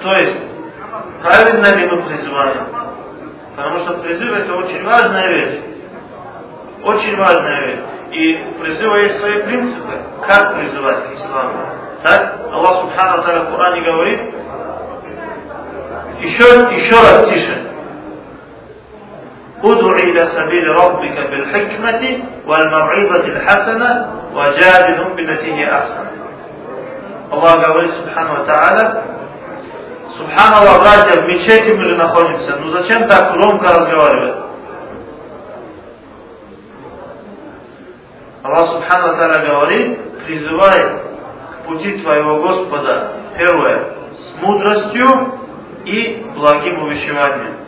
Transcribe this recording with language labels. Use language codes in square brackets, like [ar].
[ru] То есть, правильно ли мы призываем? Потому что призыв это очень важная вещь. Очень важная вещь. И у призыва есть свои принципы, как призывать к исламу. Так? Аллах Субхана Таала в Коране говорит, еще раз тише. [ar] ادعو الى سبيل ربك بالحكمه والموعظه الحسنه وجادلهم بالتي هي احسن. [ru] الله говорит [ar] سبحانه وتعالى سبحان الله [ru] братья в мечети мы же находимся, ну зачем так громко разговаривать? Аллах [ar] سبحانه وتعالى [ru] говорит, призывай к пути твоего Господа первое с мудростью и благим увещеванием.